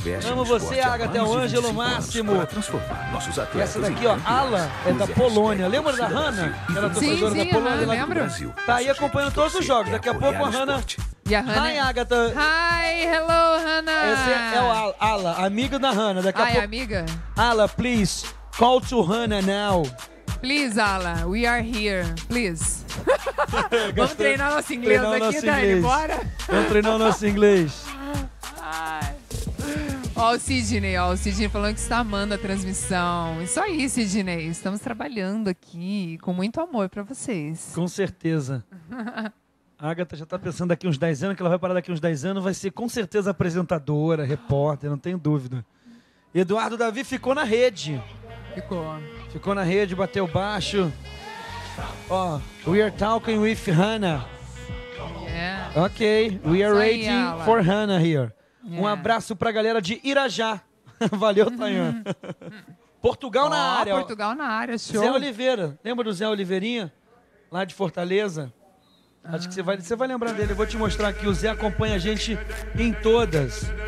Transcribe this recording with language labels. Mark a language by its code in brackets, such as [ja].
[pt] Amo você, Agatha, é o Ângelo Máximo. Essa daqui, ó, Ala, é da Polônia. Lembra da Hanna? Ela tá jogando da Polônia lá no Brasil. Tá aí acompanhando todos os jogos. Daqui a pouco a Hanna. E a Hanna? [en] Hi, Agatha. Hi, hello, Hanna. [pt] Essa é o Ala, amiga da Hanna. Daqui a pouco. Ai, amiga? [en] Ala, please, call to Hanna now. Please, Ala, we are here, please. [pt] Vamos treinar nosso inglês treinar aqui, nosso Dani, inglês. Bora? Vamos treinar o nosso inglês. Ó o Sidney, ó, o Sidney falando que está amando a transmissão. Isso aí, Sidney, estamos trabalhando aqui com muito amor para vocês. Com certeza. A Agatha já está pensando daqui uns 10 anos, que ela vai parar daqui uns 10 anos, vai ser com certeza apresentadora, repórter, não tenho dúvida. Eduardo Davi ficou na rede. Ficou na rede, bateu baixo. [en] Ó, we are talking with Hanna. Yeah. Ok, we are waiting for Hanna here. Yeah. [pt] Um abraço pra galera de Irajá. Valeu, Tayan. Portugal na área. Portugal na área, show. Zé Oliveira, lembra do Zé Oliveirinha? Lá de Fortaleza? Acho que você vai lembrar dele. Eu vou te mostrar aqui, o Zé acompanha a gente em todas.